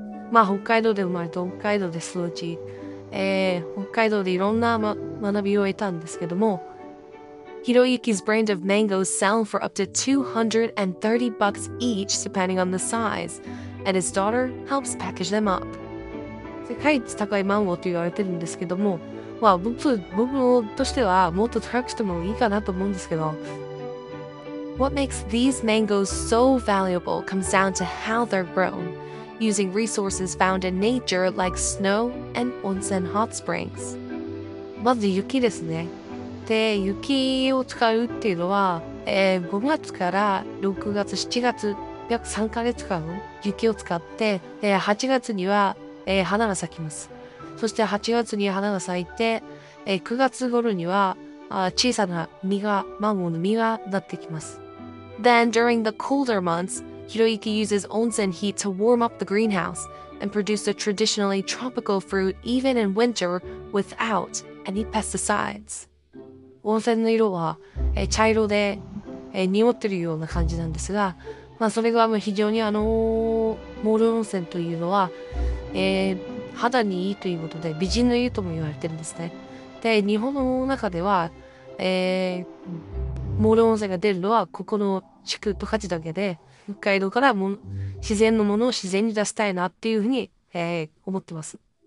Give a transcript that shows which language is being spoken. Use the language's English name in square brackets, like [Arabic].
[Japanese] まあ北海道で生まれて北海道で育ち、北海道でいろんな、学びを得たんですけども、 [English] Hiroyuki's brand of mangoes sell for up to $230 each, depending on the size, and his daughter helps package them up. [Japanese] 世界一高いマンゴーと言われてるんですけども、まあ僕としてはもっと高くしてもいいかなと思うんですけど。 [English] What makes these mangoes so valuable comes down to how they're grown, using resources found in nature like snow and onsen hot springs. [Japanese] まず雪ですね。で、雪を使うっていうのは、5月から6月、7月、約3ヶ月間の雪を使って、8月には、花が咲きます。そして8月に花が咲いて、9月頃には、小さな実が、マンゴーの実がなってきます。 [English] Then during the colder months, Hiroyuki uses onsen heat to warm up the greenhouse and produce a traditionally tropical fruit even in winter without any pesticides. [Japanese] 温泉の色は、茶色で、濁ってるような感じなんですが、まあ、それが非常にモール温泉というのは、肌にいいということで美人の湯とも言われてるんですね。で、日本の中では、モール温泉が出るのはここの地区とかだけで、北海道からも自然のものを自然に出したいなっていうふうに、思ってます。